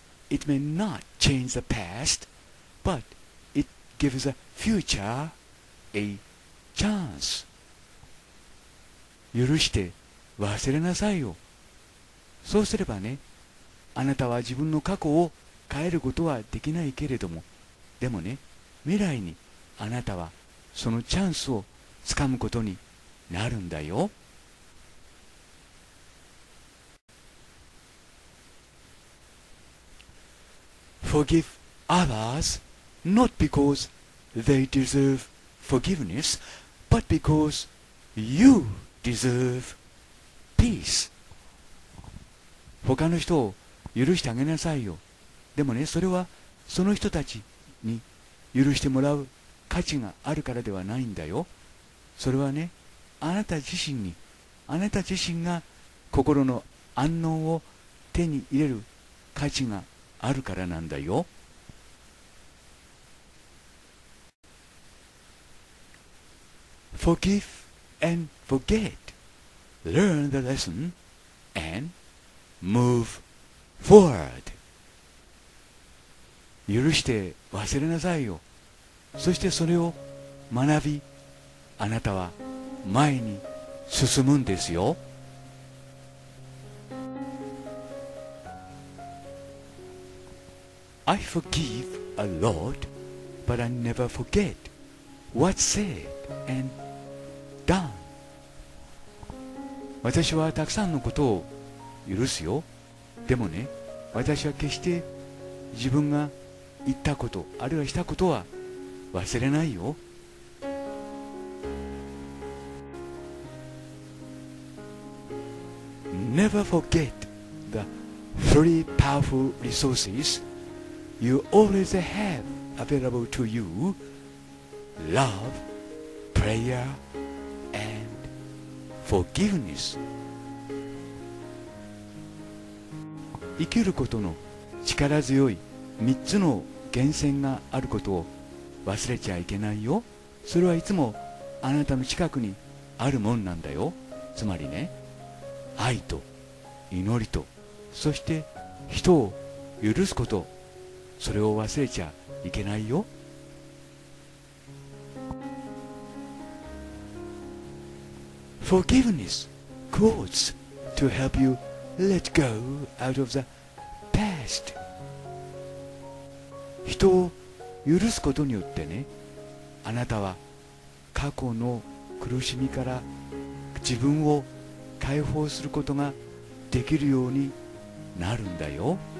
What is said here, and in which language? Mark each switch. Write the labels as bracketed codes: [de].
[en] It may not change the past, but it gives a future a chance. [ja] 許して忘れなさいよ。そうすればね、あなたは自分の過去を変えることはできないけれども、でもね、未来にあなたはそのチャンスをつかむことになるんだよ。 [en] Forgive others not because they deserve forgiveness, but because you deserve peace. [ja] 他の人を許してあげなさいよ。でもね、それはその人たちに許してもらう価値があるからではないんだよ。それはね、あなた自身に、あなた自身が心の安穏を手に入れる価値があるからなんだよ。 [en] Forgive and forget. Learn the lesson and move forward. [ja] 許して忘れなさいよ。そしてそれを学び、あなたは前に進むんですよ。 [en] I forgive a lot, but I never forget what's said and done. [ja] 私はたくさんのことを許すよ。でもね、私は決して自分が言ったこと、あるいはしたことは忘れないよ。 [en] Never forget the three powerful resources. You always have available to you love, prayer, and forgiveness. [ja] 生きることの力強い三つの源泉があることを忘れちゃいけないよ。それはいつもあなたの近くにあるもんなんだよ。つまりね、愛と祈りと、そして人を許すこと、それを忘れちゃいけないよ。 [en] Forgiveness quotes to help you let go out of the past. [ja] 人を許すことによってね、あなたは過去の苦しみから自分を解放することができるようになるんだよ。